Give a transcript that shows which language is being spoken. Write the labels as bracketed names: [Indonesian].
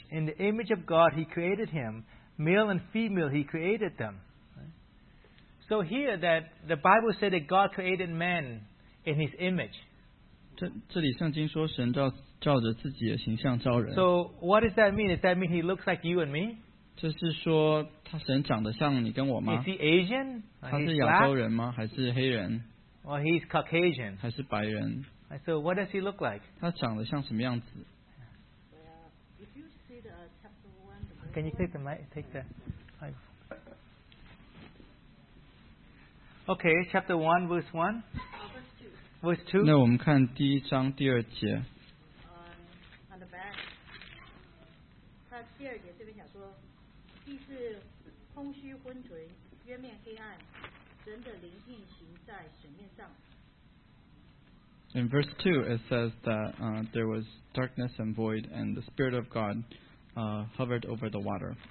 [English] In the image of God, he created him. Male and female, he created them. So here that the Bible said that God created man in his image. [Chinese] 这里圣经说神照着自己的形象造人。 [English] So what does that mean? Does that mean he looks like you and me? [Chinese] 这是说他神长得像你跟我吗? [English] Is he Asian? [Chinese] 他是亚洲人吗?还是黑人? [English] Well, he's Caucasian. [Chinese] 还是白人? [English] So what does he look like? [Chinese] 他长得像什么样子? [English] If you see the chapter 1, can you take the mic? Take the. Okay, chapter 1, verse 1. Verse 2. [Chinese] 那我们看第一章第二节。 [English] On the back. [Chinese] 他第二节这边想说, 地是空虚昏沉，渊面黑暗，神的灵运行在水面上。 [English] In verse 2, it says that there was darkness and void, and the Spirit of God hovered over the water.